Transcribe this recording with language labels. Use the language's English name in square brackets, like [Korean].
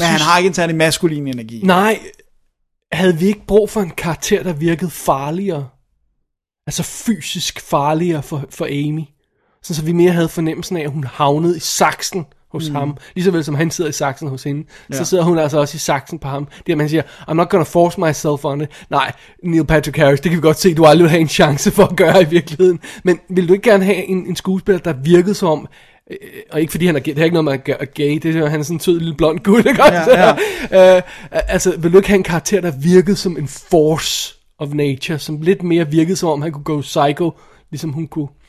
[Danish] han har ikke en særlig maskulin energi. Nej. Havde vi ikke brug for en karakter, der virkede farligere? Altså fysisk farligere for Amy. Sådan så vi mere havde fornemmelsen af, at hun havnede i saksen hos ham. Ligeså vel som han sidder i saksen hos hende. Ja. Så sidder hun altså også i saksen på ham. Det er, man siger, [English] I'm not gonna force myself on it. [Danish] Nej, Neil Patrick Harris, det kan vi godt se, du aldrig vil have en chance for at gøre i virkeligheden. Men vil du ikke gerne have en skuespiller, der virkede som om, og ikke fordi han er gay, det er ikke noget med at gay, det er, han er sådan en tød lille blond gut, ikke? Ja. Altså, vil du ikke have en karakter, der virkede som en [English] force of nature, [Danish] som lidt mere virkede som om, han kunne gå psycho, ligesom hun kunne?